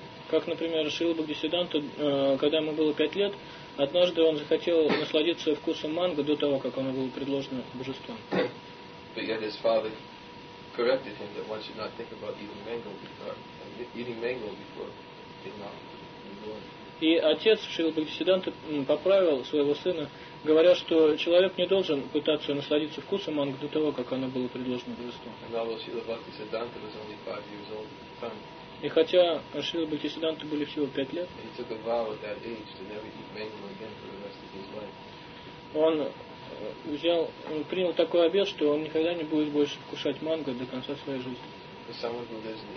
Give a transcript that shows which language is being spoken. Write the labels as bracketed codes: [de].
[ru] Как, например, Шрила Бхактисиддханте, когда ему было 5 лет, однажды он захотел насладиться вкусом манго до того, как оно было предложено божеством. [en] But yet his father corrected him that one should not think about eating mango before getting off the Lord. [ru] И отец Шрила Бхактисиддханте поправил своего сына, говоря, что человек не должен пытаться насладиться вкусом манго до того, как оно было предложено божеству. [en] And although Шрила Бхактисиддханте was only 5 years old at the time. [ru] И хотя Шрила Бхактисиддханте были всего 5 лет, [en] he took a vow at that age to never eat mango again for the rest of his life. [ru] Он принял такой обет, что он никогда не будет больше вкушать манго до конца своей жизни.